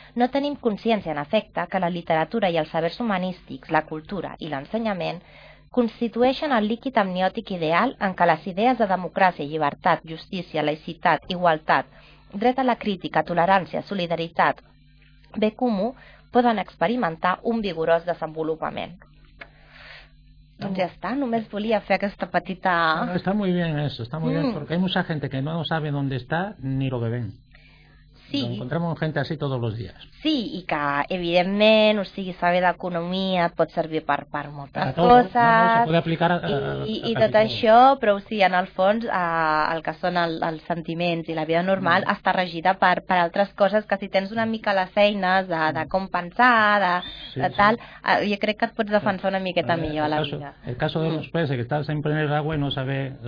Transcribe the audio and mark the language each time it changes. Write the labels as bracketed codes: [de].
[ca] No tenim consciència, en efecte, que la literatura i els sabers humanístics, la cultura i l'ensenyament constitueixen el líquid amniòtic ideal en què les idees de democràcia, llibertat, justícia, laïcitat, igualtat, dret a la crítica, tolerància, solidaritat, bé comú, poden experimentar un vigorós desenvolupament. Doncs ja està, només volia fer aquesta petita... [es] No, está muy bien eso, está muy bien, porque hay mucha gente que no sabe dónde está ni lo que ven. Sí. Lo encontramos gente así todos los días. [ca] Sí, i que, evidentment, o sigui, saber d'economia pot servir per moltes coses... [es] No, se puede aplicar [ca] I tot això, però, o sigui, en el fons, el que són els sentiments i la vida normal està regida per altres coses, que si tens una mica les eines de com pensar, de tal, jo crec que et pots defensar una miqueta millor a la vida. El cas de los peces, que estan sempre en el agua i no saber...